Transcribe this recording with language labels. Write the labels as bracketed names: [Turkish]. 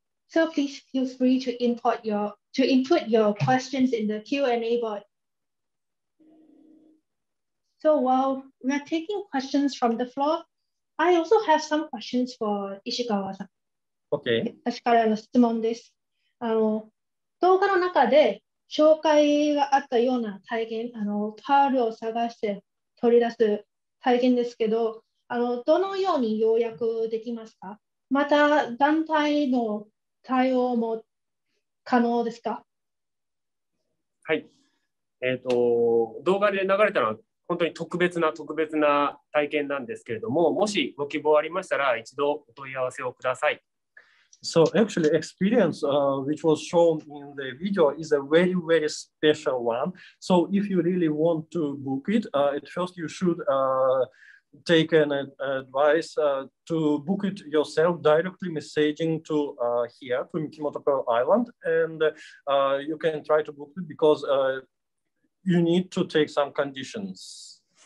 [English] So please feel free to input your questions in the Q&A board. So while we're taking questions from the floor, I also have some questions for Ishikawa-san. Okay. [Japanese] 私からの質問です。あの、動画の中で紹介があったような体験、あの、パールを探して取り出す体験ですけど、あの、どのように要約できますか？また団体の対応も可能ですか？はい。動画で流れたのは本当に特別な体験なんですけれども、もしご希望ありましたら一度お問い合わせをください。 [English] So actually experience which was shown in the video is a very, very special one. So if you really want to book it, at first you should take an advice to book it yourself, directly messaging to here, to Mikimoto Pearl Island, and you can try to book it because you need to take some conditions.